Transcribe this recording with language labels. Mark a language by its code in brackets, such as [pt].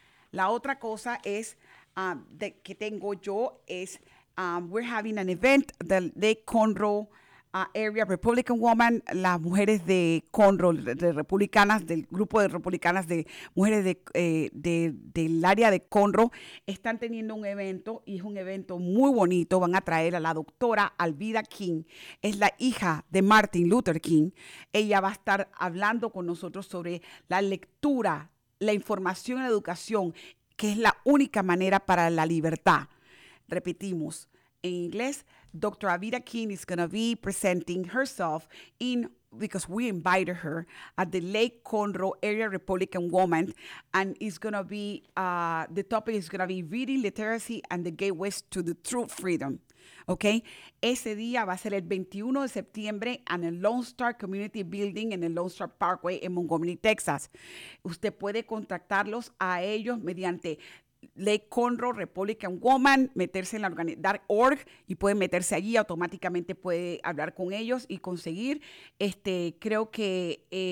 [es] La otra cosa es que tengo yo es, we're having an event, the Lake Conroe Area Republican Woman, las mujeres de Conroe, de republicanas, del grupo de republicanas de mujeres del área de Conroe, están teniendo un evento, y es un evento muy bonito. Van a traer a la doctora Alvida King, es la hija de Martin Luther King. Ella va a estar hablando con nosotros sobre la lectura, la información y la educación, que es la única manera para la libertad. Repetimos, en inglés, Dr. [en] Alvida King is going to be presenting herself in, because we invited her, at the Lake Conroe Area Republican Woman, and it's going to be, the topic is going to be Reading Literacy and the Gateways to the True Freedom. [es] Okay, ese día va a ser el 21 de septiembre en el Lone Star Community Building en el Lone Star Parkway en Montgomery, Texas. Usted puede contactarlos a ellos mediante Lake Conroe Republican Woman, meterse en la organización.org, y puede meterse allí, automáticamente puede hablar con ellos y conseguir, creo que